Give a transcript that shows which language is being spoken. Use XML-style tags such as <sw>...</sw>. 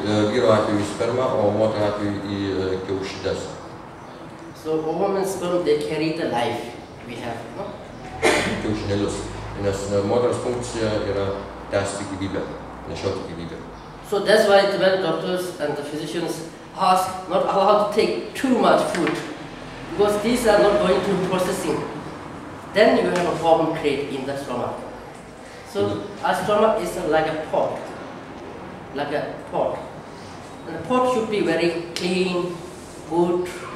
<lt>Vyro atveju sperma, o moterų atveju į kiaušides.</lt> <en>So, ovum and sperm, they carry the life we have, no?</en> <lt>Kiaušinėlius, nes moters funkcija yra tęsti gyvybę, nešioti gyvybę.</lt> <en>So that's why the doctors and the physicians ask not allowed to take too much food, because these are not going to processing. Then you have a problem create in the stomach. So a stomach is like a pot. And the pot should be very clean, good.</en>